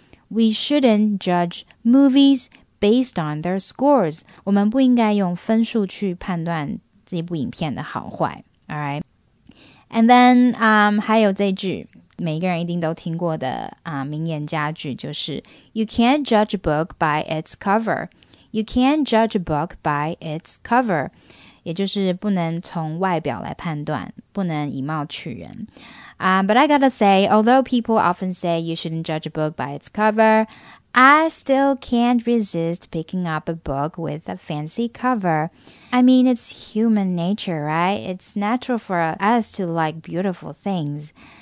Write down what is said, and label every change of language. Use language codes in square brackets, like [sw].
[en] We shouldn't judge movies based on their scores. [zh] 我们不应该用分数去判断这部影片的好坏。 [en] All right. And then、 [zh] 还有这句每个人一定都听过的、名言佳句，就是 [en] You can't judge a book by its cover. You can't judge a book by its cover. [zh] 也就是不能从外表来判断，不能以貌取人。 [en] But I gotta say, although people often say you shouldn't judge a book by its cover, I still can't resist picking up a book with a fancy cover. I mean, it's human nature, right? It's natural for us to like beautiful things.